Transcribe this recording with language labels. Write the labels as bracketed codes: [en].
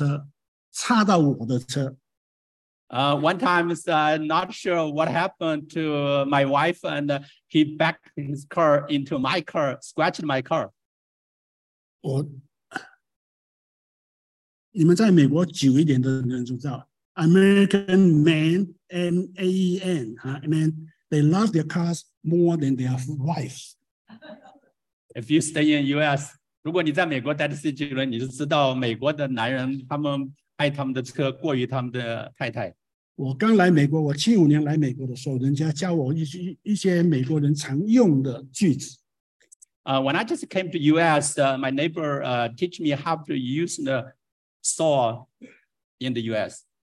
[zh] 那有一次,师母不晓得怎么搞的,就用他的车,插到我的车。 [en] One time, not sure what happened to my wife, and he backed his car into my car, scratched my car. [zh] 你们在美国久一点的人就知道, [en] American man, M-A-E-N, man, they love their cars more than their wives. If you stay in U.S., [zh] 如果你在美国待的是久了, 你就知道美国的男人,他们爱他们的车过于他们的太太。我刚来美国,我75年来美国的时候, 人家教我一些美国人常用的句子。 [en] When I just came to U.S., my neighbor teach me how to use the saw in the U.S.